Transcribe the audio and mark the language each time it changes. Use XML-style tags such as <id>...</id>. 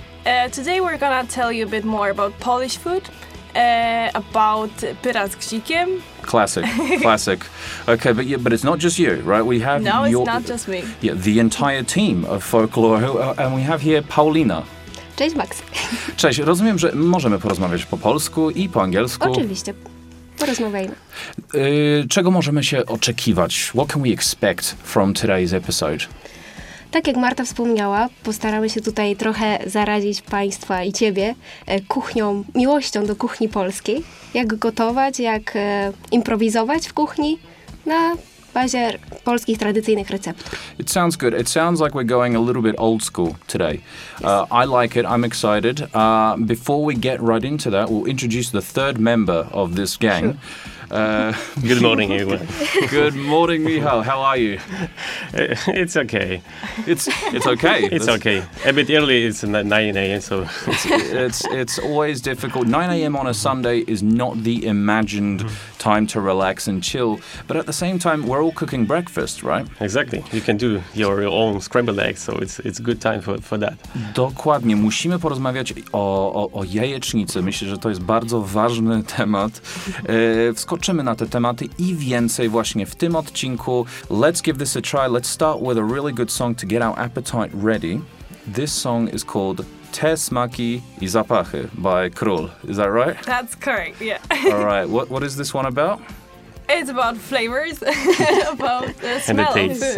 <en>Today we're gonna tell you a bit more about Polish food, about pierogi. Classic. Okay, but yeah, but it's not just you, right? No, it's not just me. Yeah, the entire team of Forklore, and we have here Paulina.</en> <pl>Cześć, Max. Cześć. Rozumiem, że możemy porozmawiać po polsku I po angielsku. Oczywiście. Porozmawiajmy. Czego możemy się oczekiwać?</pl> <en>What can we expect from today's episode?</en> <pl>Tak jak Marta wspomniała, postaramy się tutaj trochę zarazić Państwa I Ciebie kuchnią, miłością do kuchni polskiej. Jak gotować, jak improwizować w kuchni na bazie polskich tradycyjnych receptur.</pl> <en>It sounds good. It sounds like we're going a little bit old school today. Yes. I like it. I'm excited. Before we get right into that, we'll introduce the third member of this gang. Sure. Good morning, Ewa. Good morning, Michal. How are you? It's okay. It's okay. It's okay. A bit early. It's 9 a.m. So it's always difficult. 9 a.m. on a Sunday is not the imagined time to relax and chill. But at the same time, we're all cooking breakfast, right? Exactly. You can do your own scrambled eggs, so it's a good time for that.</en> <pl>Dokładnie. Musimy porozmawiać o jajecznicy. Myślę, że to jest bardzo ważny temat. Wskoczymy na te tematy I więcej właśnie w tym odcinku.</pl> <en>Let's give this a try. Let's start with a really good song to get our appetite ready. This song is called Te Smaki I Zapachy by Król. Is that right? That's correct, yeah. All right. What is this one about? It's about flavors, about the smell and the taste.</en>